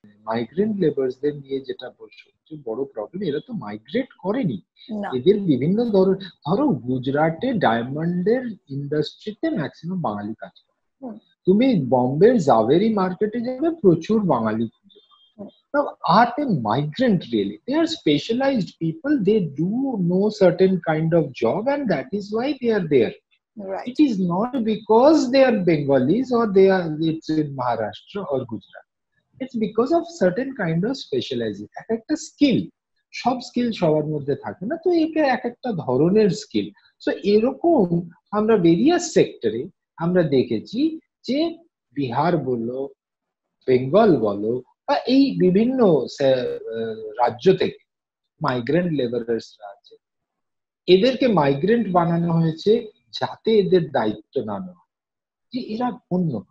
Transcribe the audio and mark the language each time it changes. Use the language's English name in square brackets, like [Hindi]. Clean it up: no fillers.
[Bangla] migrant laborers দের নিয়ে যেটা বলছো যে বড় প্রবলেম, এরা তো মাইগ্রেট করেনি, এদের বিভিন্ন ধরো গুজরাটে ডায়মন্ডের ইন্ডাস্ট্রিতে ম্যাক্সিমাম বাঙালি কাজ করে, তুমি বম্বের জাভেরি মার্কেটে যাবে প্রচুর বাঙালি। [English] Are they migrant really? They are specialized people. They do know certain kind of job and that is why they are there. Right. It is not because they are Bengalis or they are, it's in Maharashtra or Gujarat. It's because of certain kind of specialization. [Bangla] এক একটা skill. সব skill সবার মধ্যে থাকে না, তো একে এক একটা ধরনের skill. So এরকম আমরা various sector-এ আমরা দেখেছি যে বিহার বলো, বেঙ্গল বলো, বা এই বিভিন্ন রাজ্য থেকে মাইগ্রেন্ট লেবারার্সরা আছে, এদেরকে মাইগ্রেন্ট বানানো হয়েছে যাতে এদের দায়িত্ব না নেওয়া, যে এরা অন্য.